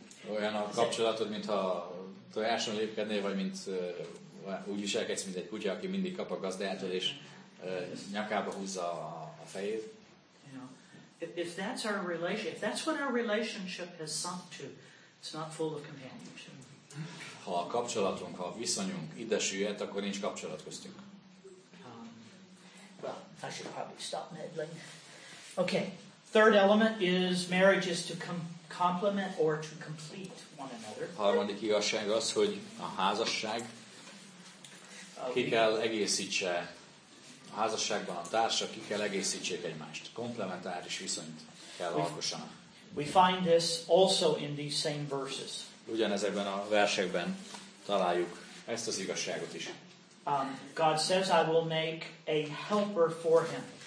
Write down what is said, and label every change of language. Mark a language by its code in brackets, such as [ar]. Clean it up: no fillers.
[hu] Olyan a kapcsolatod, mintha tojáson lépkednél, vagy mint úgy viselkedsz, mint egy kutya, aki mindig kap a gazdájától, és nyakába húzza a fejét. [en] You know, if that's our relationship, if that's what our relationship has sunk to, it's not full of companionship. [hu] Ha a kapcsolatunk, ha a viszonyunk idesüllyed, akkor nincs kapcsolat köztünk. [en] Well, I should probably stop meddling. Okay, third element is marriage is to complement or to complete one another. [hu] Harmadik igazság az, hogy a házasság ki kell egészítse a házasságban a társa, ki kell egészítsék egymást. Komplementáris viszonyt kell alkossanak. [en] We find this also in these same verses. [hu] Ugyanezekben a versekben találjuk ezt az igazságot is. [en] God says I will make a helper for him.